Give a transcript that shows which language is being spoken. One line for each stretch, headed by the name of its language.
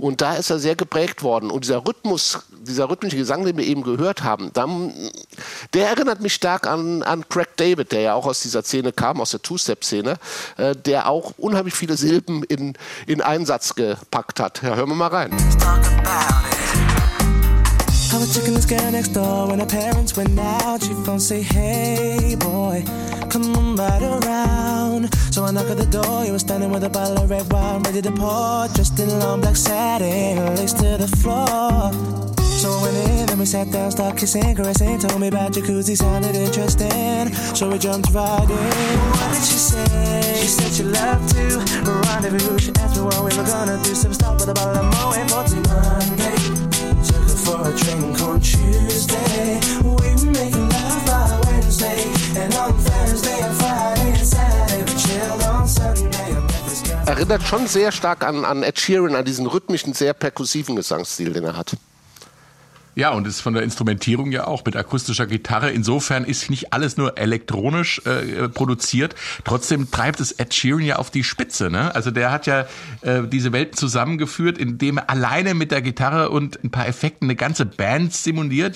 German: Und da ist er sehr geprägt worden. Und dieser rhythmische Gesang, den wir eben gehört haben, der erinnert mich stark an Craig David, der ja auch aus dieser Szene kam, aus der Two-Step-Szene, der auch unheimlich viele Silben in einen Satz gepackt hat. Ja, hören wir mal rein.
English: I was checking this girl next door when her parents went out. She phoned, say, hey, boy, come on right around. So I knock at the door, he was standing with a bottle of red wine, ready to pour, dressed in long black satin, laced to the floor. So I went in, then we sat down, started kissing. Caressing, told me about jacuzzi, sounded interesting. So we jumped right in. What did she say? She said she loved to rendezvous. She asked me what we were gonna do. So we stopped with a bottle of Moët for Monday. Took her for a drink on Tuesday. We were making love by Wednesday. And on Thursday and Friday and Saturday we chilled on Sunday.
German: Erinnert schon sehr stark an Ed Sheeran, an diesen rhythmischen, sehr perkussiven Gesangsstil, den er hat. Ja, und ist von der Instrumentierung ja auch mit akustischer Gitarre. Insofern ist nicht alles nur elektronisch produziert. Trotzdem treibt es Ed Sheeran ja auf die Spitze, ne? Also der hat ja diese Welten zusammengeführt, indem er alleine mit der Gitarre und ein paar Effekten eine ganze Band simuliert.